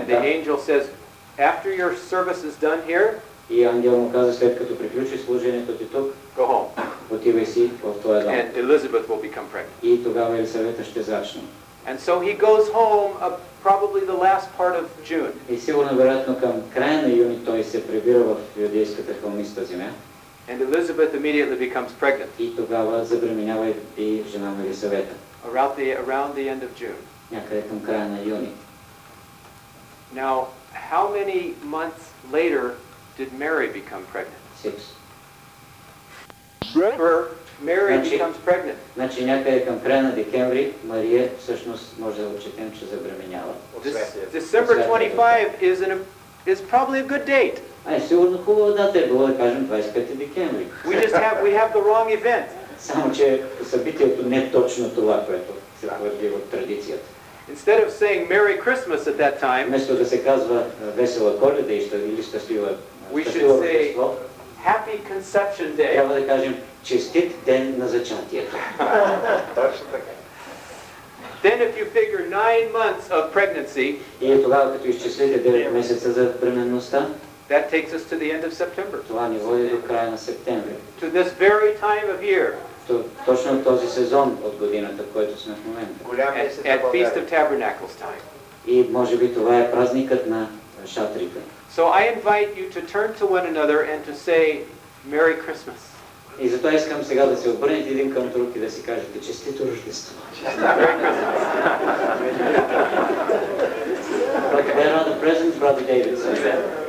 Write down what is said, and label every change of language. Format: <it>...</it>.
<en>And the angel says, after your service is done here,</en> <bg>и ангел му каза, след като приключи служението ти тук,</bg> <en>go home.</en> <bg>Отивай си в твоя дом.</bg> <en>And Elizabeth will become pregnant.</en> <bg>И тогава Елисавета ще зачне.</bg> <en>And so he goes home probably the last part of June.</en> <bg>И сигурно вероятно към края на юни той се прибира в юдейската хълмиста земя.</bg> <en>And Elizabeth immediately becomes pregnant.</en> <bg>И тогава забременява и жена на Елисавета.</bg> <en>Around the end of June.</en> <bg>Някъде към края на юни.</bg> <en>Now, how many months later did Mary become pregnant? 6. Remember, Mary becomes pregnant.</en> <bg>Значи някъде към края на декември Мария всъщност може да отчетем, че забременява.</bg> <en>December 25 is probably a good date.</en> <bg>Ай, сигурно хубава дата е било да кажем 25 декември.</bg> <en>We have the wrong event.</en> <bg>Само че събитието не е точно това, което се твърди от традицията.</bg> <en>Instead of saying Merry Christmas at that time,</en> <bg>вместо да се казва Весела Коледа и щастлива,</bg> <en>we should say Happy Conception Day.</en> <bg>Трябва да кажем Честит ден на зачатието. Точно така.</bg> <en>Then if you figure 9 months of pregnancy,</en> <bg>и тогава като изчислите 9 месеца за бременността,</bg> <en>that takes us to the end of September.</en> <bg>Това ни води до края на септември.</bg> <en>To this very time of year.</en> <bg>точно в този сезон от годината, в който сме в момента.</bg> <en>At Feast of Tabernacles time.</en> <bg>И може би това е празникът на шатрите.</bg> <en>So I invite you to turn to one another and to say Merry Christmas.</en> <bg>И затова искам сега да се обърнете един към друг и да си кажете честито Рождество.</bg> <en>Merry Christmas. Like there are the presents, Brother Davidson.</en>